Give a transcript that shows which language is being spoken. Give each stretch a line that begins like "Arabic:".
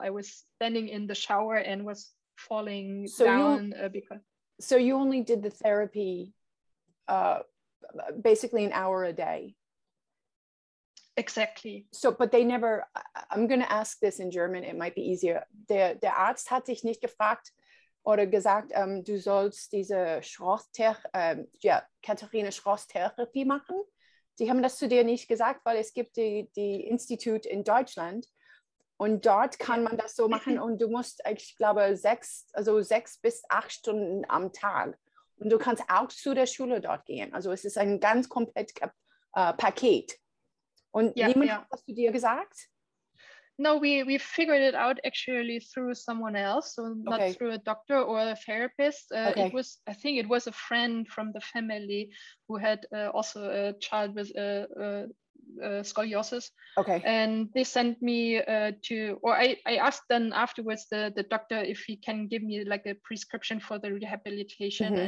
English: I was standing in the shower and was falling so you only did the therapy basically an hour a day. Exactly. So, but they never, I'm going to ask this in German, it might be easier.
German: Der Arzt hat sich nicht gefragt oder gesagt, du sollst diese Katharina Schroth-Therapie machen. Die haben das zu dir nicht gesagt, weil es gibt die Institut in Deutschland und dort kann man das so machen und du musst, ich glaube, 6 bis 8 Stunden am Tag und du kannst auch zu der Schule dort gehen. Also es ist ein ganz komplett Paket. Und niemand hat das zu dir gesagt?
English: No, we figured it out actually through someone else, so not through a doctor or a therapist. I think it was a friend from the family who had also a child with a scoliosis. Okay. And they sent me I asked then afterwards the doctor if he can give me like a prescription for the rehabilitation, mm-hmm.